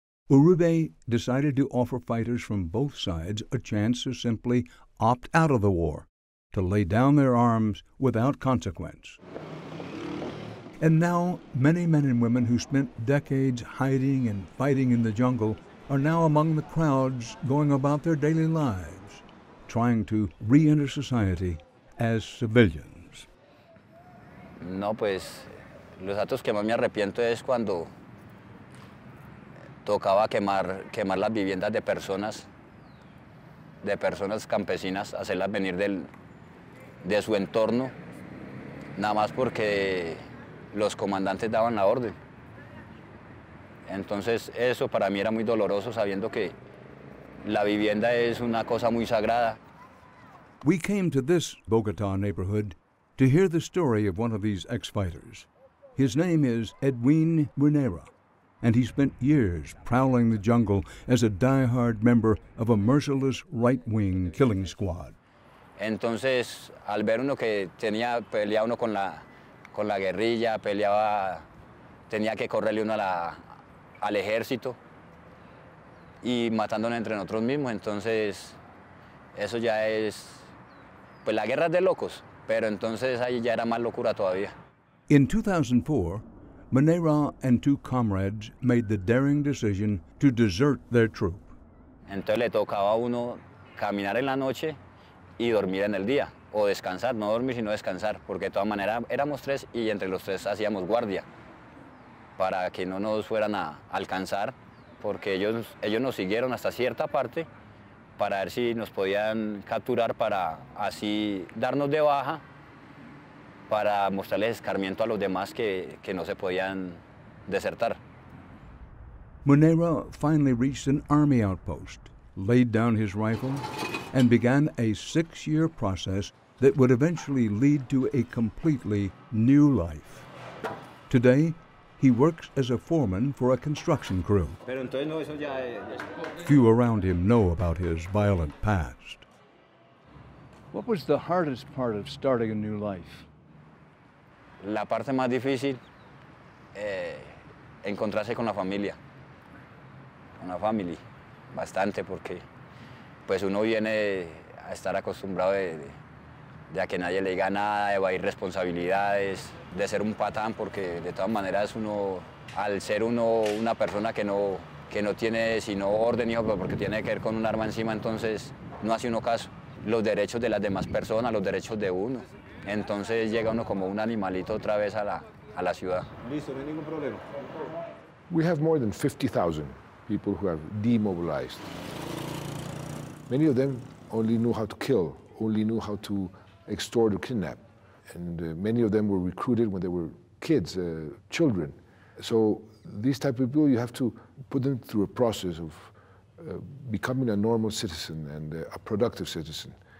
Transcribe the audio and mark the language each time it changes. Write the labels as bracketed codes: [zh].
[en] Uribe decided to offer fighters from both sides a chance to simply opt out of the war, to lay down their arms without consequence. And now, many men and women who spent decades hiding and fighting in the jungle are now among the crowds going about their daily lives, trying to re-enter society as civilians. [es] No, pues, los datos que más me arrepiento es cuando tocaba quemar las viviendas de personas campesinas, hacerlas venir de su entorno, nada más porque los comandantes daban la orden. Entonces eso para mí era muy doloroso, sabiendo que la vivienda es una cosa muy sagrada. [en] We came to this Bogota neighborhood to hear the story of one of these ex-fighters. His name is Edwin Winera, and he spent years prowling the jungle as a diehard member of a merciless right-wing killing squad. [es] Entonces, al ver uno que tenía peleado uno con la guerrilla, peleaba, tenía que correrle uno al ejército y matándonos entre nosotros mismos, entonces eso ya es, pues la guerra es de locos, pero entonces ahí ya era más locura todavía. [en] In 2004, Manera and two comrades made the daring decision to desert their troop. [es] Entonces le tocaba a uno caminar en la noche y dormir en el día, o descansar, no dormir sino descansar, porque de todas maneras éramos tres y entre los tres hacíamos guardia para que no nos fueran a alcanzar, porque ellos nos siguieron hasta cierta parte para ver si nos podían capturar para así darnos de baja, para mostrarles escarmiento a los demás que no se podían desertar. [en] Munera finally reached an army outpost, laid down his rifle, and began a six-year process that would eventually lead to a completely new life. Today, he works as a foreman for a construction crew. [es] Pero entonces, no, eso ya es... [en] Few around him know about his violent past. What was the hardest part of starting a new life? [es] La parte más difícil, encontrarse con la familia. Con la [en] family, [es] bastante, porque pues uno viene a estar acostumbrado de a que nadie le diga nada, de evadir responsabilidades, de ser un patán, porque de todas maneras uno, al ser uno una persona que no tiene sino orden, hijo, porque tiene que ver con un arma encima, entonces no hace uno caso. Los derechos de las demás personas, los derechos de uno. Entonces llega uno como un animalito otra vez a la ciudad. Listo, no hay ningún problema. [en] We have more than 50,000 people who have demobilized. Many of them only knew how to kill, only knew how to extort or kidnap. And many of them were recruited when they were kids, children. So these type of people, you have to put them through a process of becoming a normal citizen and a productive citizen.